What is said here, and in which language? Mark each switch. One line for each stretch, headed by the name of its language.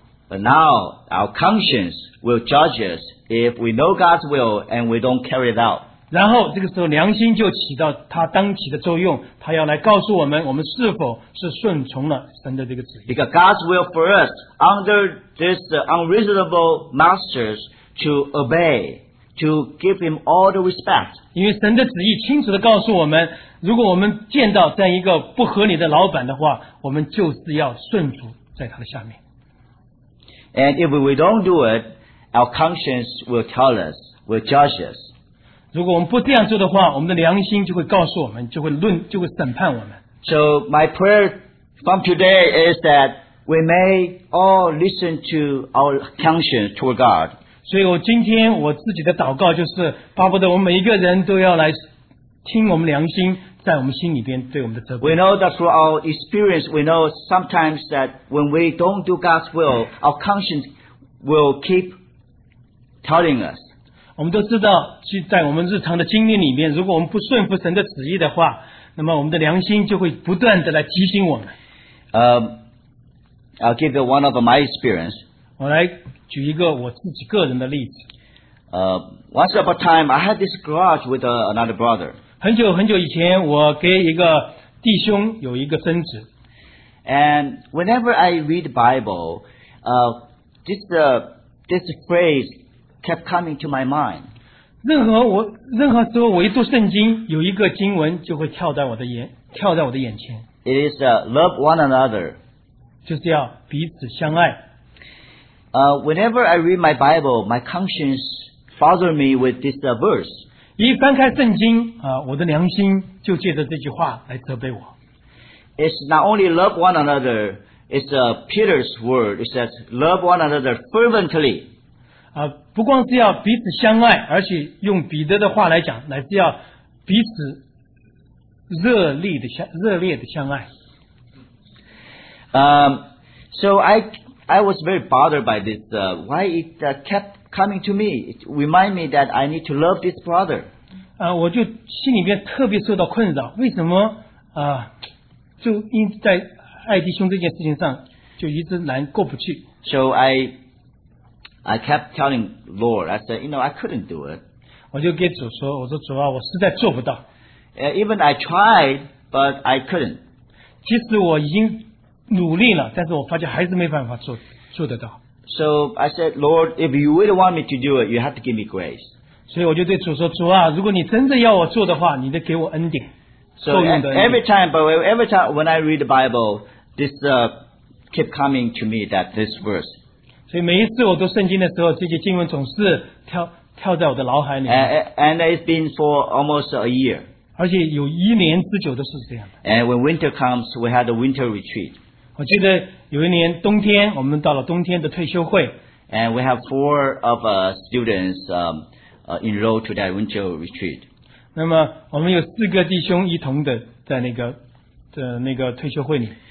English: But now, our conscience will judge us if we know God's will and we don't carry it out.
Chinese: 然后这个时候良心就起到它当起的作用，它要来告诉我们，我们是否是顺从了神的这个旨意。
English: Because God's will for us under this unreasonable masters to obey, to give him all the respect.
Chinese: 因为神的旨意清楚地告诉我们，如果我们见到这样一个不合理的老板的话，我们就是要顺服在他的下面。
English: And if we don't do it, our conscience will tell us, will judge us.
Chinese: 如果我们不这样做的话，我们的良心就会告诉我们，就会论，就会审判我们。
English: So my prayer from today is that we may all listen to our conscience toward God.
Chinese: 所以我今天我自己的祷告就是，巴不得我们每一个人都要来听我们良心在我们心里边对我们的责备。
English: We know that through our experience, we know sometimes that when we don't do God's will, our conscience will keep telling us.
Chinese: 我们都知道，在我们日常的经历里面，如果我们不顺服神的旨意的话，那么我们的良心就会不断的来提醒我们。
English: I'll give you one of my experience.
Chinese: 我来举一个我自己个人的例子。
English: Once upon a time, I had this garage with another brother.
Chinese: 很久很久以前，我给一个弟兄有一个争执。
English: And whenever I read the Bible, this phrase kept coming to my mind.
Chinese: 任何时候我一读圣经，有一个经文就会跳在我的眼前。
English: It is love one another.
Chinese: 就是要彼此相爱。
English: Whenever I read my Bible, my conscience bothers me with this verse.
Chinese: 一翻开圣经我的良心就借着这句话来责备我。
English: It's not only love one another, it's Peter's word. It says love one another fervently.
Chinese: 不光是要彼此相爱，而且用彼得的话来讲，乃是要彼此热烈的相爱。
English: So I was very bothered by this. Why it kept coming to me? It reminded me that I need to love this brother.
Chinese: 我就心里边特别受到困扰。为什么就因在爱弟兄这件事情上就一直难过不去。
English: So I kept telling Lord, I said, you know, I couldn't do it.
Chinese: 我就给主说，我说主啊，我实在做不到。
English: Even I tried, but I couldn't.
Chinese: 即使我已经努力了，但是我发觉还是没办法做得到。
English: So I said, Lord, if you really want me to do it, you have to give me grace.
Chinese: 所以我就对主说，主啊，如果你真的要我做的话，你得给我恩典。
English: So every time when I read the Bible, this keep coming to me that this verse.
Chinese: 所以每一次我读圣经的时候，这些经文总是跳在我的脑海里面。
English: And it's been for almost a year.
Chinese: 而且有一年之久都是这样的。
English: And when winter comes, we had a winter retreat.
Chinese: 我记得有一年冬天，我们到了冬天的退休会。
English: And we have four of students enrolled to that winter retreat.
Chinese: 那么我们有四个弟兄一同的在那个退休会里。